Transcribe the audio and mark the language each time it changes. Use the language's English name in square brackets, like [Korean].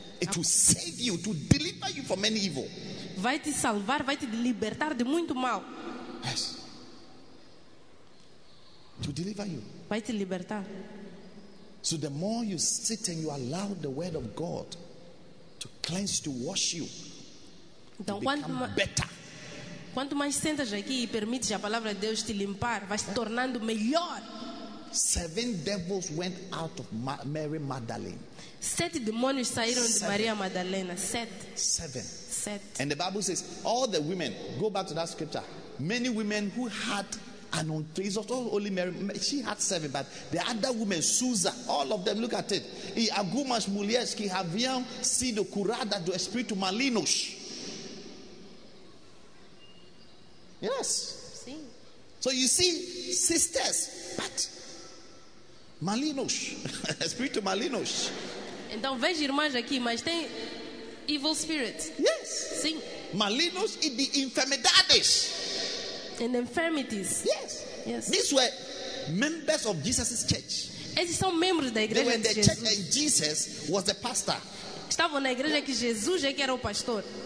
[English] It will save you, to deliver you from any evil. [Portuguese] Vai te salvar, vai te libertar de muito mal. [English] Yes. To deliver you. [Portuguese] Vai te libertar. [English] So the more you sit and you allow the word of God to cleanse, to wash you, [Portuguese] então, [English] you become better. [Portuguese] Quanto mais sentas aqui e permites a palavra de Deus te limpar, vai se tornando melhor. [English] Seven devils went out of Mary Magdalene. [Portuguese] Sete demônios saíram de Maria Madalena. Sete. [English] Seven. [Portuguese] Sete. [English] And the Bible says, all the women, go back to that scripture, many women who had an untreason, not only Mary, she had seven, but the other women, Susa, all of them, look at it. [Portuguese] E algumas mulheres que haviam sido curadas do espírito maligno. [English] Yes. [Portuguese] Sim. [English] So you see, sisters, but [Portuguese] malinos, espírito malinos. Então veja irmãs aqui, mas tem [English] evil spirits. Yes. [Portuguese] Sim. Malinos e de enfermidades. [English] And infirmities. Yes. Yes. These were members of Jesus' church. [Portuguese] Esses são membros da igreja. [English] They were in the church and Jesus was the pastor. [Portuguese] Estavam na igreja que Jesus é que era o pastor.